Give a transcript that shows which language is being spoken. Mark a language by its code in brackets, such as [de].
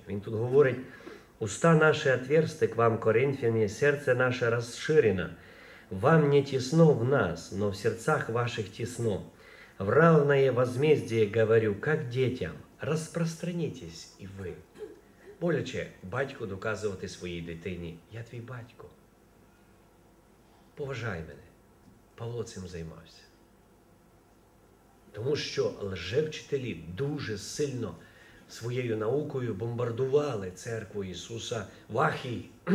[uk] Він тут говорить, уста наше отверсти к вам, коринфяне, серце наше розширено. Вам не тісно в нас, но в серцах ваших тісно. [ru] В равное возмездие говорю, как детям, распространитесь [uk] і ви. Боляче батьку доказувати своїй дитині, я твій батько. Поважай мене. Павло цим займався. Тому що лжевчителі дуже сильно своєю наукою бомбардували церкву Ісуса в Ахії.